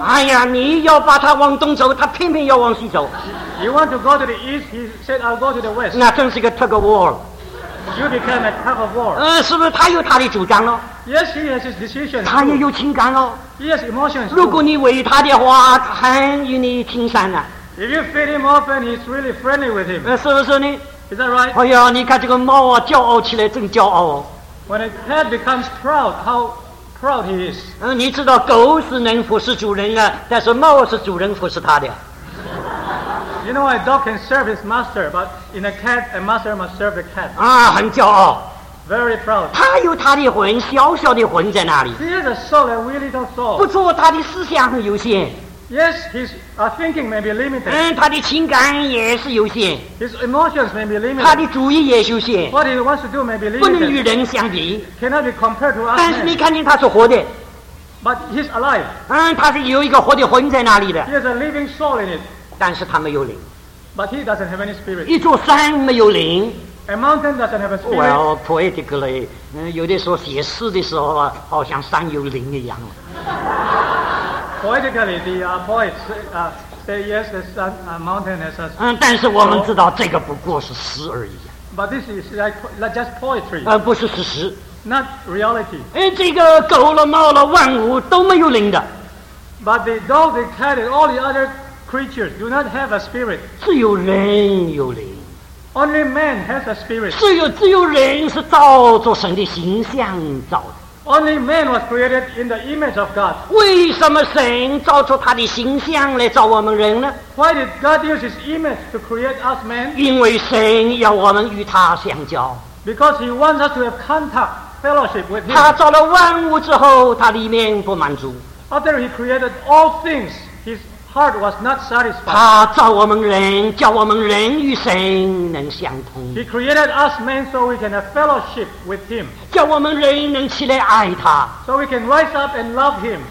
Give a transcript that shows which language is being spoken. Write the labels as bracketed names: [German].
[Chinese] 哎呀，你要把它往东走，它偏偏要往西走。 [English] You want to go to the east, he said, I'll go to the west. [Chinese] 那真是一个 [English] tug of war. You became a tug of war. [Chinese] 是不是他有他的主张了？ [English] Yes, he has his decision. [Chinese] 他也有情感了。 [English] He has emotions. [Chinese] 如果你喂他的话，很与你亲善的。 [English] If you feed him often, he's really friendly with him. [Chinese] 是不是呢？ [English] Is that right? [Chinese] 哎呀，你看这个猫啊，骄傲起来真骄傲哦。 [English] When a cat becomes proud, how? Proud he is. [Chinese] 你知道狗是能服侍主人啊，但是猫是主人服侍它的。 [English] You know a dog can serve his master, but in a cat, a master must serve the cat. [Chinese] 啊，很骄傲。 [English] Very proud. [Chinese] 他有他的魂，小小的魂在那里。 [English] He has a soul, a wee little soul. [Chinese] 不错，他的思想很有限。 [English] Yes, his thinking may be limited. [Chinese] 他的情感也是有限。 [English] His emotions may be limited. [Chinese] 他的主意也有限。 [English] What he wants to do may be limited. [Chinese] 不能与人相比。 [English] Cannot be compared to us. [Chinese] 但是你看见他是活的。 [English] But he's alive. [Chinese] 他是有一个活的魂在那里的。 [English] He has a living soul in it. [Chinese] 但是他没有灵。 [English] But he doesn't have any spirit. [Chinese] 一座山没有灵。 [English] A mountain doesn't have a spirit. Well, poetically, [Chinese] 有的时候写诗的时候啊，好像山有灵一样。 [English] Poetically, the poets say yes, the sun, mountain has a soul. [Chinese] 但是我们知道这个不过是诗而已。 [English] But this is like just poetry. [Chinese] 不是事实。 [English] Not reality. [Chinese] 这个狗了猫了万物都没有灵的。 [English] But the dog, the cat, and all the other creatures do not have a spirit. [Chinese] 只有人有灵。 [English] Only man has a spirit. [Chinese] 只有人是照着神的形象造的。 [English] Only man was created in the image of God. [Chinese] 为什么神造出他的形象来造我们人呢？ [English] Why did God use his image to create us man? [Chinese] 因为神要我们与他相交。 [English] Because he wants us to have contact, fellowship with him. [Chinese] 他造了万物之后，他里面不满足。 [English] After he created all things, his heart was not satisfied. [Chinese] 他造我们人，叫我们人与神能相通。 [English] He created us men so we can have fellowship with him. [Chinese] 叫我们人能起来爱他。 [English] So we can rise up and love him.